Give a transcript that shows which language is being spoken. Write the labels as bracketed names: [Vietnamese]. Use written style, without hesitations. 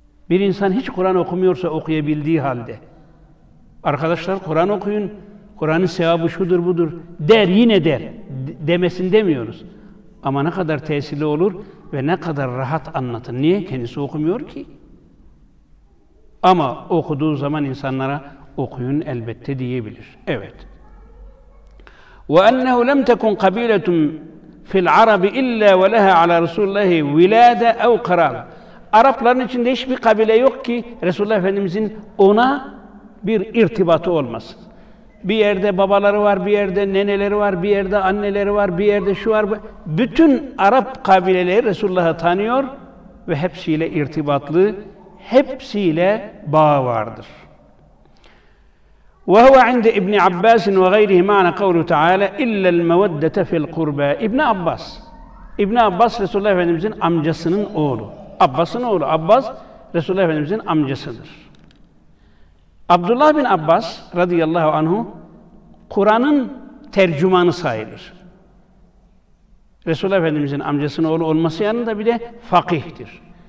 [Turkish] Bir insan hiç Kur'an okumuyorsa okuyabildiği halde, arkadaşlar Kur'an okuyun, Kur'an'ın sevabı şudur budur der, yine der demesin demiyoruz. Ama ne kadar tesirli olur ve ne kadar rahat anlatır. Niye? Kendisi okumuyor ki. Ama okuduğu zaman insanlara okuyun elbette diyebilir. Evet. [Arabic] وَاَنَّهُ لَمْ تَكُنْ قَبِيلَةٌ فِي الْعَرَبِ اِلَّا وَلَهَا عَلَى رَسُولُ اللّٰهِ وِلَادَ اَوْ قَرَالَ [Turkish] Arapların içinde hiçbir kabile yok ki Resulullah Efendimiz'in ona bir irtibatı olmasın. Bir yerde babaları var, bir yerde neneleri var, bir yerde anneleri var, bir yerde şu var. Bütün Arap kabileleri Resulullah'ı tanıyor ve hepsiyle irtibatlı, hepsiyle bağı vardır. [Arabic] وَهُوَ عِنْدِ اِبْنِ عَبَّاسٍ وَغَيْرِهِ مَعْنَ قَوْلُ تَعَالَى اِلَّا الْمَوَدَّةَ فِي الْقُرْبَى İbn-i Abbas. [Turkish] İbn-i Abbas, Resulullah Efendimiz'in amcasının oğlu. Abbas'ın oğlu. Abbas, Resulullah Efendimiz'in amcasıdır. Abdullah bin Abbas radıyallahu anhu, Kur'an'ın tercümanı sayılır. Resulullah Efendimiz'in amcasının oğlu olması yanında bir de fakihtir.